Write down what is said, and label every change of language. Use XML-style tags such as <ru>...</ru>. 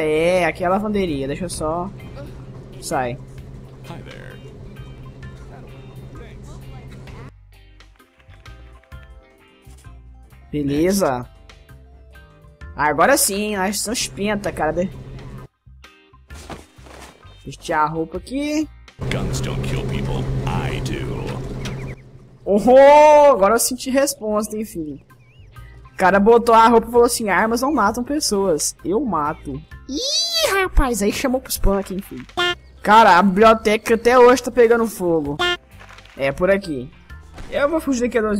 <pt>É, aqui é a lavanderia. Deixa eu só... Sai. Beleza. Ah, agora sim, nós somos pinta, cara. Vestir a roupa aqui.</pt> <en>Guns don't kill people, I do.</en> <pt>Oh, agora eu senti resposta, enfim. O cara botou a roupa e falou assim: armas não matam pessoas. Eu mato. Ih, rapaz, aí chamou pros punk, enfim. Cara, a biblioteca até hoje tá pegando fogo. É por aqui. Eu vou fugir daqui a dois.</pt>